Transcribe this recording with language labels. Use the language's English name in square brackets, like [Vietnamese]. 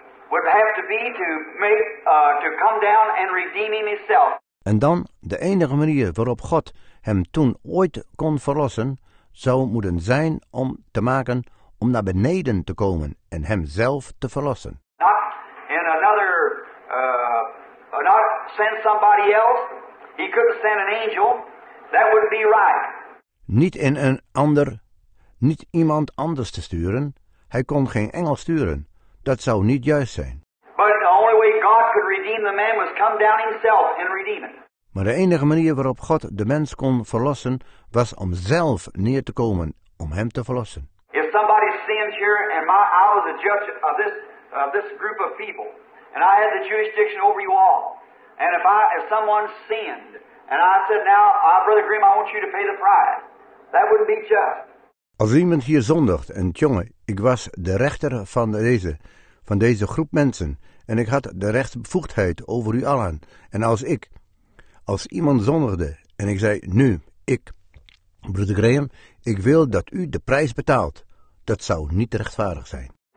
[English] would have to be to make to come down and redeem him himself. [Dutch] En dan de enige manier waarop God hem toen ooit kon verlossen, zou moeten zijn om te maken om naar beneden te komen en hem zelf te verlossen. [English] Not in another not send somebody else. He could send an angel. That would be right. [Dutch] Niet in een ander, niet iemand anders te sturen. Hij kon geen engel sturen. Dat zou niet juist zijn. [English] But the only way God could redeem the man was come down himself and redeem it. [Dutch] Maar de enige manier waarop God de mens kon verlossen, was om zelf neer te komen om hem te verlossen. [English] If somebody sins here and I was a judge of this group of people and I had the jurisdiction over you all, and if someone sinned and I said now, Brother Grimm, I want you to pay the price, that wouldn't be just. [Dutch] Als iemand hier zondigt en tjonge, ik was de rechter van deze groep mensen en ik had de rechtsbevoegdheid over u allen. En als iemand zondigde en ik zei, nu, ik, Broeder Graham, ik wil dat u de prijs betaalt, dat zou niet rechtvaardig zijn.